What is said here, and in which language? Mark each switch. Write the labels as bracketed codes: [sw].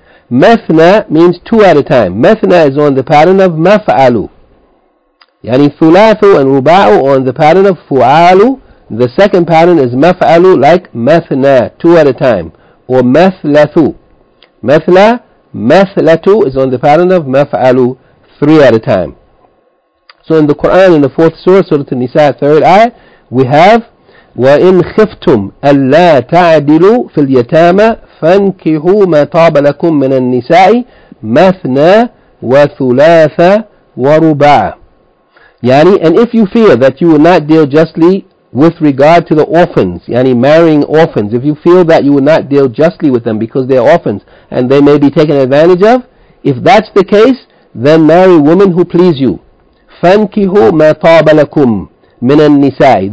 [en] Methna means two at a time. Methna is on the pattern of maf'alu. Yani thulathu and ruba'u on the pattern of fu'alu, The second pattern is maf'alu, like mathna, two at a time, or mathlathu. Mathla, mathlatu is on the pattern of maf'alu, three at a time. So in the Quran, in the fourth surah, Surah An-Nisa, third ayah, we have [ar] وَإِنْ خِفْتُمْ أَلَّا تَعْدِلُوا فِي الْيَتَامَ فَانْكِهُوا مَا طَابَ لَكُمْ مِنَ النِّسَاءِ مَثْنَى وَثُلَاثَ وَرُبَعَ. [en] Yani, and if you fear that you will not deal justly with regard to the orphans, yani marrying orphans, if you feel that you will not deal justly with them because they are orphans and they may be taken advantage of, if that's the case, then marry women who please you. [ar] فَانْكِهُوا مَا طَابَ لَكُمْ مِنَ النِّسَاءِ.